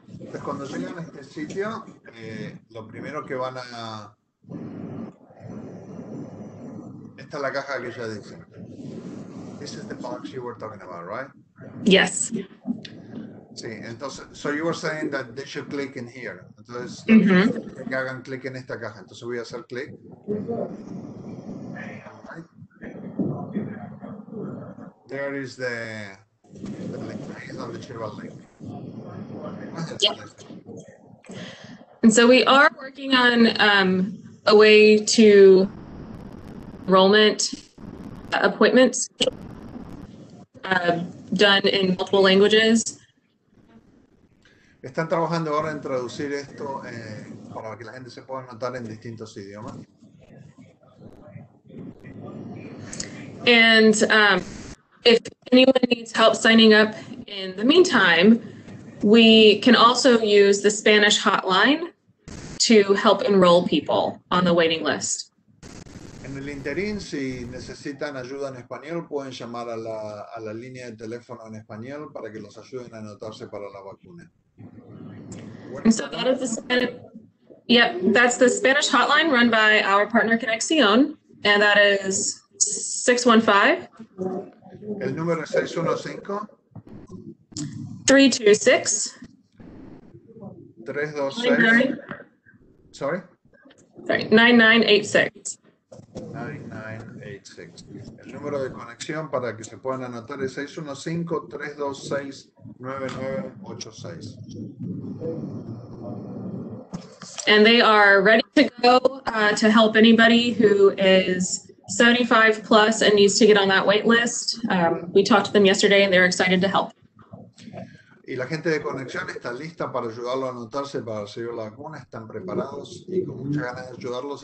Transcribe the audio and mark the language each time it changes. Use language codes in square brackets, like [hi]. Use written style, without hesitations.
[es] Entonces, cuando llegan a este sitio, lo primero que van a... Esta es la caja que ya dice. [en] This is the box you were talking about, right? Yes. [es] Sí, entonces, [en] so you were saying that they should click in here. [es] Entonces, que hagan clic en esta caja. Entonces voy a hacer clic. [en] There is the link. It's on the Cheval link. Yeah. And so we are working on a way to enrollment appointments done in multiple languages. [es] Están trabajando ahora en traducir esto para que la gente se pueda anotar en distintos idiomas. [en] And if anyone needs help signing up in the meantime, we can also use the Spanish hotline to help enroll people on the waiting list. [es] En el interín, si necesitan ayuda en español, pueden llamar a la línea de teléfono en español para que los ayuden a anotarse para la vacuna. [en] And so that is the Spanish, yep, that's the Spanish hotline run by our partner Conexión, and that is 615. [es] El número es 615. 326. [en] 326. Sorry. Sorry, 9986. 9986. [es] El número de conexión para que se puedan anotar es 615-326-9986. [en] And they are ready to go to help anybody who is 75 plus and needs to get on that wait list. We talked to them yesterday and they're excited to help. [es] Y la gente de conexión está lista para ayudarlo a anotarse para recibir la vacuna. Están preparados y con muchas ganas de ayudarlos.